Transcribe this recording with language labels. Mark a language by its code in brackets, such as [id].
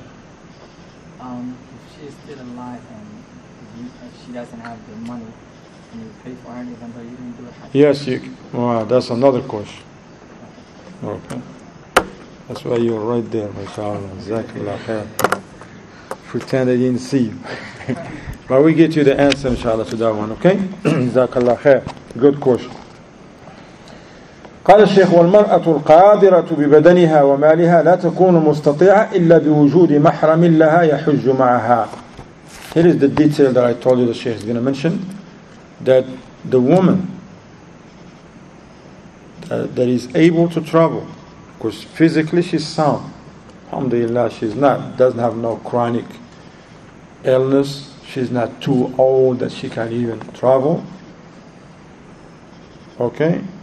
[en] If she's still alive and she doesn't have the money, can you pay for her even though you didn't do it? Yes, you can. Well, that's another question. Okay. That's why you're right there, mashallah. Zakallah khair. Pretend I didn't see you. But we get you the answer, inshallah, to that one, okay? Zakallah khair. Good question. [ar] قال الشيخ والمرأة القادرة ببدنها ومالها لا تكون مستطيعة إلا بوجود محرم لها يحج معها. [en] Here is the detail that I told you the Sheikh is going to mention, that the woman that is able to travel, because physically she's sound, alhamdulillah, she's not, doesn't have no chronic illness, she's not too old that she can even travel, okay.